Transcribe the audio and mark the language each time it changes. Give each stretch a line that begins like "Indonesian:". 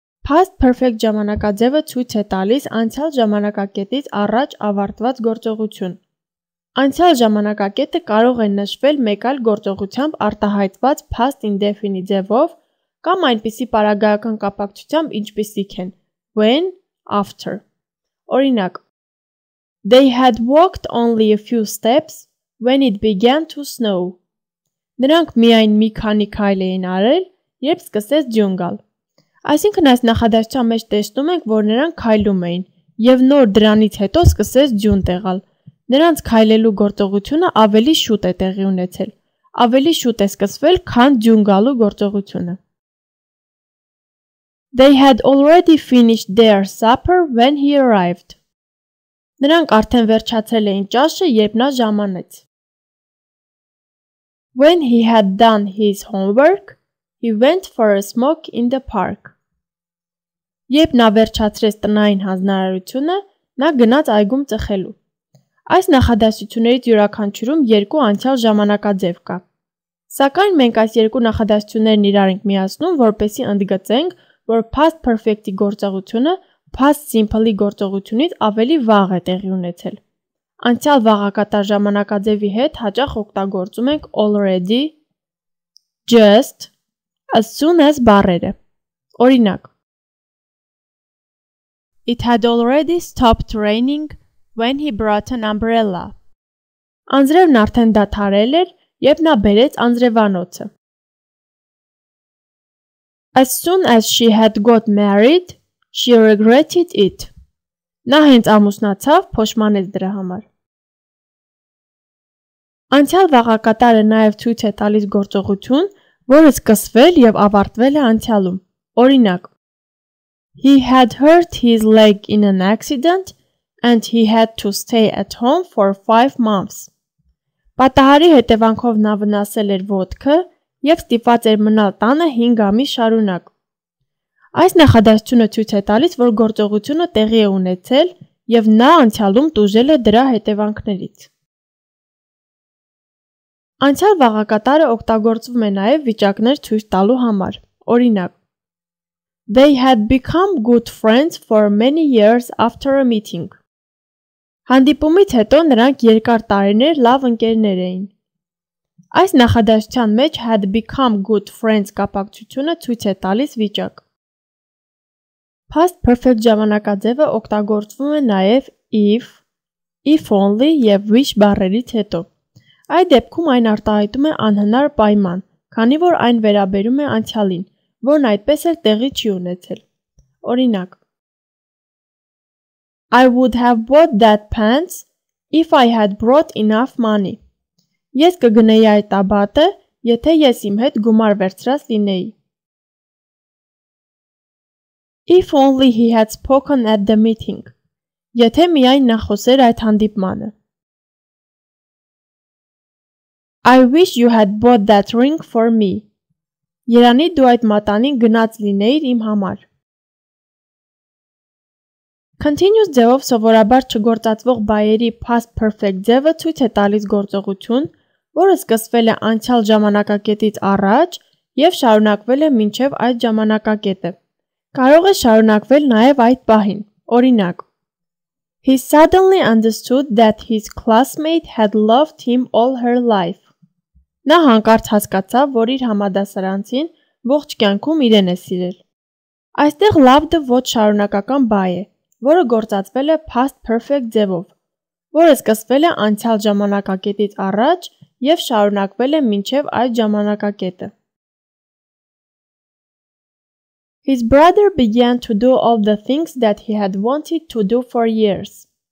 Armenian: Past perfect ժամանակաձևը ցույց է տալիս անցյալ ժամանակակետից առաջ ավարտված գործողություն։ Անցյալ ժամանակակետը կարող է նշվել մեկ այլ գործողությամբ արտահայտված past indefinite ձևով կամ այնպիսի պարագայական կապակցությամբ, ինչպիսիք են when, after։ Օրինակ.
English: They had walked only a few steps when it began to snow.
Armenian: Նրանք միայն մի քանի քայլ էին արել, երբ սկսեց ջուր գալ։ Այսինքն այս նախադասության մեջ տեսնում ենք, որ նրանք քայլում էին, և նոր դրանից հետո սկսեց ջուր տեղալ։ Նրանց քայլելու գործողությունը ավելի շուտ է տեղի ունեցել, ավելի շուտ է սկսվել, քան ջունգալու գործողությունը։
English: They had already finished their supper when he arrived.
Armenian: Նրանք արդեն վերջացրել էին ճաշը, երբ նա ժամանեց։
English: When he had done his homework, he went for a smoke in the park.
Armenian: Երբ նա վերջացրեց տնային հանձնարարությունը, նա գնաց այգում ծխելու։ Այս նախադասություններից յուրաքանչյուրում երկու անցյալ ժամանակաձև կա։ Սակայն մենք այս երկու նախադասություններն իրար ենք միացնում, որպեսզի ընդգծենք, որ past perfect-ի գործողությունը past simple-ի գործողությունից ավելի վաղ է տեղի ունեցել։ Անցյալ վաղակատար ժամանակաձևի հետ հաճախ օգտագործում ենք already, just, as soon as բառերը։ Օրինակ.
English: It had already stopped raining when he brought an umbrella.
Armenian: Անձրևն արդեն դադարել էր, երբ նա բերեց անձրևանոցը.
English: As soon as she had got married, she regretted it.
Armenian: Նա հենց ամուսնացավ, փոշմանեց դրա համար։ Անցյալ վաղակատարը նաև ցույց է տալիս գործողություն, որը սկսվել և ավարտվել է անցյալում։ Օրինակ.
English: He had hurt his leg in an accident and he had to stay at home for 5 months.
Armenian: Պատահարի հետևանքով նա վնասել էր ոտքը և ստիպած էր մնալ տանը 5 ամիս շարունակ։ Այս նախադասությունը ցույց է տալիս, որ գործողությունը տեղի է ունեցել եւ նա անցյալում տուժել է դրա հետևանքներից։ Անցյալ վաղակատարը օգտագործվում է նաեւ վիճակներ ցույց տալու համար։ Օրինակ.
English: They had become good friends for many years after a meeting.
Armenian: Հանդիպումից հետո նրանք երկար տարիներ լավ ընկերներ էին։ Այս նախադասության մեջ had become good friends կապակցությունը ցույց է տալիս վիճակ։ Past perfect ժամանակաձևը օգտագործվում է նաև if only եւ wish բառերից հետո։ Այդ դեպքում այն արտահայտում է անհնար պայման, քանի որ այն վերաբերում է անցյալին, որն այդպես էլ տեղի չի ունեցել։ Օրինակ.
English: I would have bought that pants if I had brought enough money.
Armenian: Ես կգնեի այդ տաբատը, եթե ես իմ հետ գումար վերցրած լինեի։
English: If only he had spoken at the meeting.
Armenian: Եթե միայն նա խոսեր այդ հանդիպմանը։
English: I wish you had bought that ring for me.
Armenian: Երանի դու այդ մատանին գնաց լինեիր իմ համար։ Continuous ձևով սովորաբար չգործածվող բայերի past perfect ձևը ցույց է տալիս գործողություն, որը սկսվել է անցյալ ժամանակակետից առաջ և շարունակվել է մինչև այդ ժամանակակետը։ Կարող է շարունակվել նաև այդ պահին։ Օրինակ.
English: He suddenly understood that his classmate had loved him all her life.
Armenian: Նա հանկարծ հասկացավ, որ իր համադասարանցին ողջ կյանքում իրեն է սիրել։ Այստեղ loved-ը ոչ շարունակական բայ է, որը գործածվել է past perfect ձևով, որը սկսվել է անցյալ ժամանակակետից առաջ և շարունակվել է մինչև այդ ժամանակակետը։
English: His brother began to do all the things that he had wanted to do for years.